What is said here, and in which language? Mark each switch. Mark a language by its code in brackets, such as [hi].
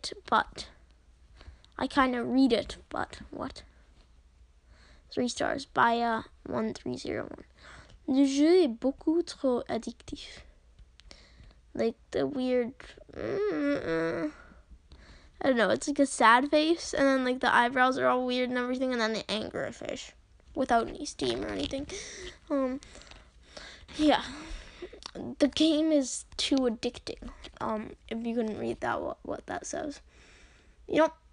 [en] I kind of read it, but what? 3 stars, Baya 1301. [fr] Le jeu est beaucoup trop addictif. [en] Like the weird, I don't know, it's like a sad face, and then like the eyebrows are all weird and everything, and then the anger fish, without any steam or anything. Yeah. The game is too addicting. If you couldn't read that, what that says. You know,